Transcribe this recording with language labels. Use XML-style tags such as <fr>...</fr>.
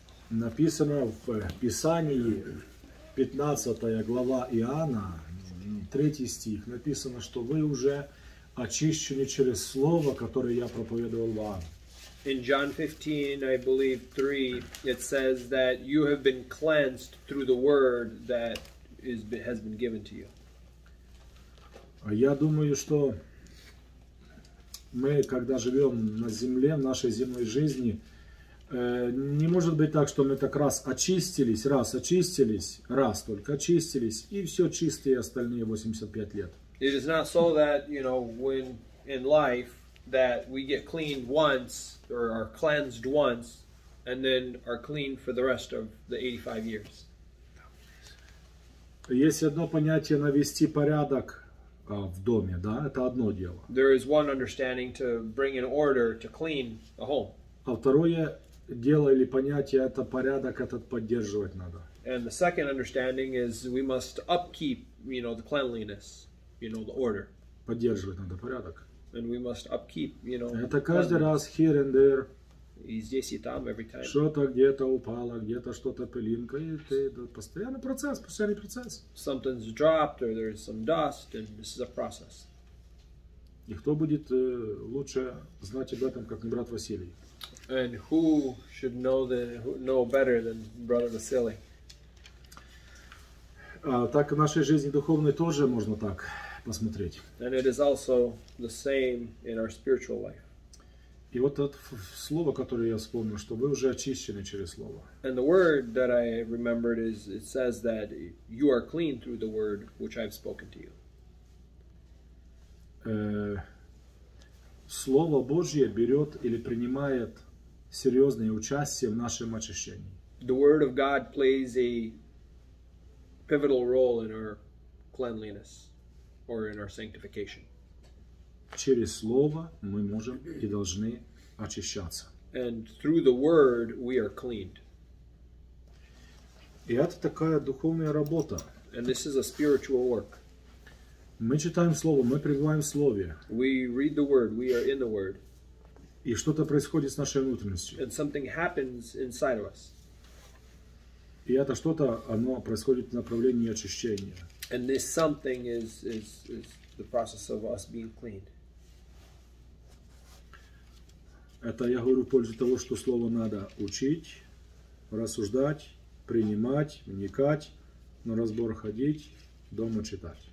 <ru>Написано в Писании, 15 глава Иоанна, 3 стих, написано, что вы уже очищены через слово, которое я проповедовал вам.</ru> <en>In John 15, I believe 3, it says that you have been cleansed through the word that has been given to you.</en> <ru>Я думаю, что мы, когда живем на земле, в нашей земной жизни, не может быть так, что мы так раз только очистились, и все чистые остальные 85 лет.</ru> <en>It is not so that, you know, when in life that we get cleaned once or are cleansed once and then are clean for the rest of the 85 years.</en> <ru>Есть одно понятие навести порядок в доме, да, это одно дело.</ru> <en>There is one understanding to bring in order to clean a home.</en> <ru>А второе дело или понятие это порядок этот поддерживать надо.</ru> <en>And the second understanding is we must upkeep, you know, the cleanliness, you know, the order.</en> <ru>Поддерживать надо порядок.</ru> <en>And we must upkeep, you know.</en> <ru>Это каждый раз</ru> <en>here and there.</en> <ru>И здесь и там</ru> <en>every time.</en> <ru>Что-то где-то упало, где-то что-то пылинка, и ты постоянный процесс, постоянный процесс.</ru> <en>Something's dropped or there's some dust and this is a process.</en> <ru>И кто будет лучше знать об этом, как не брат Василий?</ru> <en>And who should know better than brother Vasily?</en> <ru>Так в нашей жизни духовной тоже можно так посмотреть.</ru> <en>And it is also the same in our spiritual life.</en> <ru>И вот это слово, которое я вспомнил, что вы уже очищены через слово.</ru> <en>And the word that I remembered is it says that you are clean through the word which I've spoken to you.</en> <ru>Слово Божье берет или принимает серьезное участие в нашем очищении.</ru> <en>The word of God plays a pivotal role in our cleanliness or in our sanctification.</en> <ru>Через слово мы можем и должны очищаться.</ru> <en>And through the word we are cleaned.</en> <ru>И это такая духовная работа.</ru> <en>And this is a spiritual work.</en> <ru>Мы читаем слово, мы пребываем в слове.</ru> <en>We read the word, we are in the word.</en> <ru>И что-то происходит с нашей внутренностью.</ru> <en>And something happens inside of us.</en> <ru>И это что-то, оно происходит в направлении очищения.</ru> <en>And this something is the process of us being cleaned.</en> <ru>Это я говорю в пользу того, что слово надо учить, рассуждать, принимать, вникать, на разбор ходить, дома читать.</ru>